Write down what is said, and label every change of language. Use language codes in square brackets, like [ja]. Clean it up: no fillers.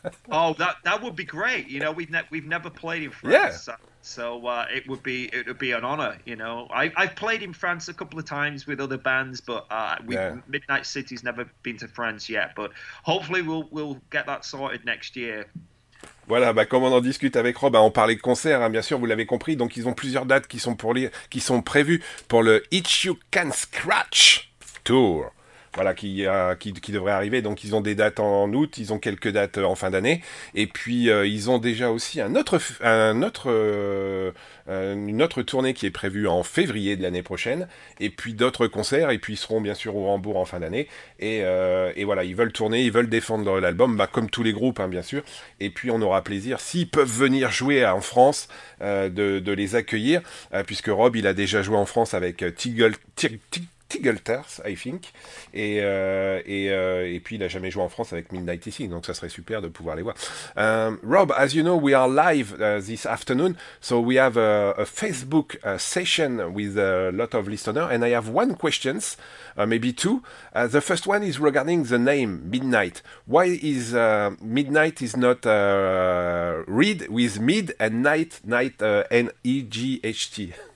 [en] Oh, that would be great, you know. We've never played in France. Yeah. So it would be an honor, you know. I've played in France a couple of times with other bands, but Midnight City's never been to France yet, but hopefully we'll get that sorted next year. [fr] Voilà, bah comme on en discute avec Rob, on parlait de concert, hein, bien sûr, vous l'avez compris. Donc ils ont plusieurs dates qui sont prévues pour le Itch You Can Scratch Tour. Voilà, qui devrait arriver. Donc ils ont des dates en août, ils ont quelques dates en fin d'année. Et puis ils ont déjà aussi une autre tournée qui est prévue en février de l'année prochaine. Et puis d'autres concerts, et puis ils seront bien sûr au Hambourg en fin d'année. Et voilà, ils veulent tourner, ils veulent défendre l'album, bah, comme tous les groupes, hein, bien sûr. Et puis on aura plaisir, s'ils peuvent venir jouer en France, de les accueillir. Puisque Rob, il a déjà joué en France avec Tiggle... Tigelters, [en] I think. [fr] Et puis, il n'a jamais joué en France avec Midnight Ici, donc ça serait super de pouvoir les voir. [en] Rob, as you know, we are live this afternoon, so we have a Facebook session with a lot of listeners, and I have one question, maybe two. The first one is regarding the name Midnight. Why is Midnight is not read with mid and night, night, N-E-G-H-T?